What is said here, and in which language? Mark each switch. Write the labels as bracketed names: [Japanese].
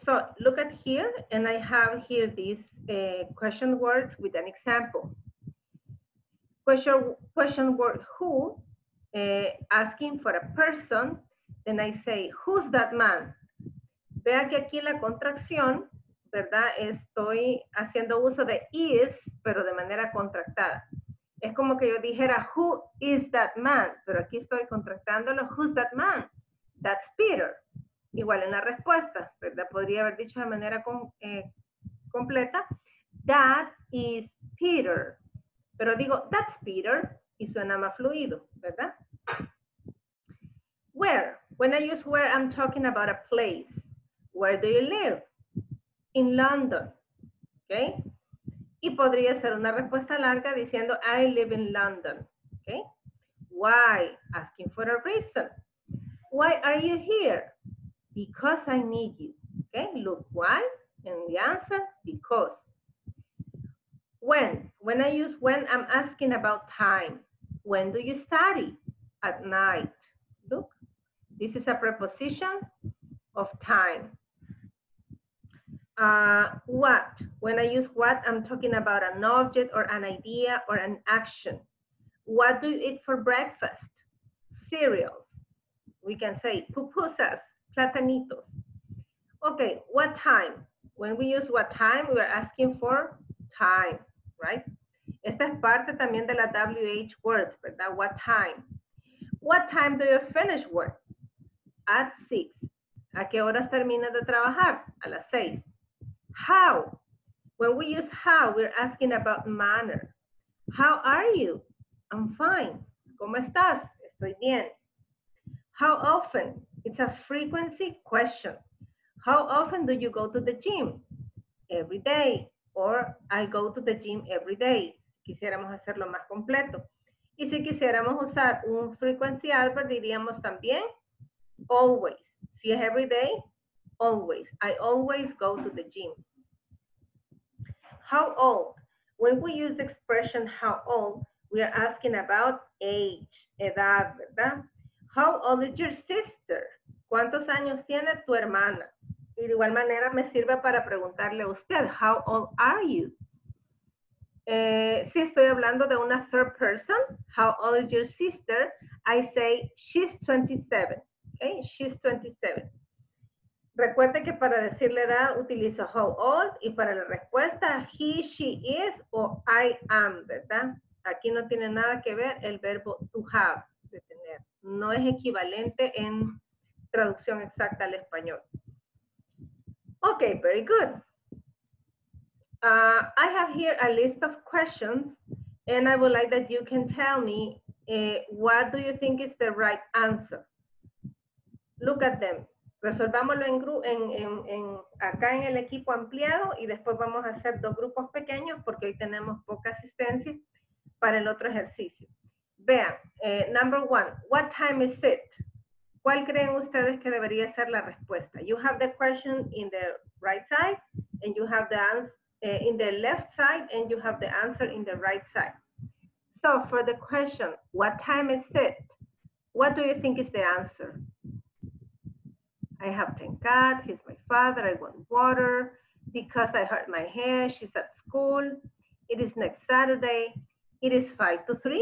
[English] So look at here, and I have here these question words with an example. Question word who, asking for a person, then I say, who's that man? [Spanish] Vea que aquí la contracción, ¿verdad? Estoy haciendo uso de is, pero de manera contractada. Es como que yo dijera, [English] who is that man? [Spanish] Pero aquí estoy contractándolo, [English] who's that man? That's Peter. [Spanish] Igual en la respuesta, ¿verdad? Podría haber dicho de manera completa, [English] that is Peter. [Spanish] Pero digo, [English] that's Peter, [Spanish] y suena más fluido, ¿verdad? [English] Where? When I use where, I'm talking about a place. Where do you live? In London. Okay? [Spanish] Y podría ser una respuesta larga diciendo, [English] I live in London. Okay? Why? Asking for a reason. Why are you here? Because I need you. Okay? Look, why? And the answer, because. When? When I use when, I'm asking about time. When do you study? At night. Look, this is a preposition of time. What? When I use what, I'm talking about an object or an idea or an action. What do you eat for breakfast? Cereal. We can say pupusas, platanitos. Okay, what time? When we use what time, we are asking for time, right? [Spanish] Esta es parte también de la WH words, ¿verdad? [English] What time? What time do you finish work? At 6. [Spanish] ¿A qué horas terminas de trabajar? A las 6. [English] How? When we use how, we're asking about manner. How are you? I'm fine. [Spanish] ¿Cómo estás? Estoy bien. [English] How often? It's a frequency question. How often do you go to the gym? Every day. Or I go to the gym every day. [Spanish] Quisiéramos hacerlo más completo. Y si quisiéramos usar un frequency adverb, diríamos también always. Si es [English] every day, always. I always go to the gym. How old? When we use the expression how old, we are asking about age, [Spanish] edad, ¿verdad? [English] How old is your sister? [Spanish] ¿Cuántos años tiene tu hermana? Y de igual manera me sirve para preguntarle a usted, [English] how old are you? [Spanish] Si estoy hablando de una third person, [English] how old is your sister? I say, she's 27. Okay, she's 27. [Spanish] Recuerde que para decir la edad utilizo how old y para la respuesta he, she is o I am, ¿verdad? Aquí no tiene nada que ver el verbo to have, de tener. No es equivalente en traducción exacta al español. [English] Ok, very good. I have here a list of questions and I would like that you can tell me what do you think is the right answer. Look at them. [Spanish] Resolvámoslo acá en el equipo ampliado y después vamos a hacer dos grupos pequeños porque hoy tenemos poca asistencia para el otro ejercicio. Vean, [English] number one, what time is it? [Spanish] ¿Cuál creen ustedes que debería ser la respuesta? [English] You have the question in the right side and you have the answer in the left side and you have the answer in the right side. So for the question, what time is it? What do you think is the answer? I have thank God, he's my father, I want water, because I hurt my hair, she's at school, it is next Saturday, it is 5 to 3.